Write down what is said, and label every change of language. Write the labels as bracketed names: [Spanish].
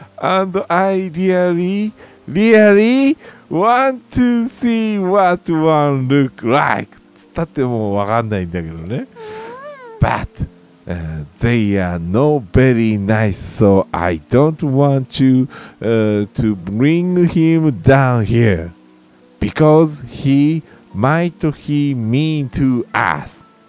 [English] And I really, really want to see what one looks like. [Japanese] つったってもうわかんないんだけどね。 [English] But、they are not very nice, so I don't want you、to bring him down here. Because he might be mean to us.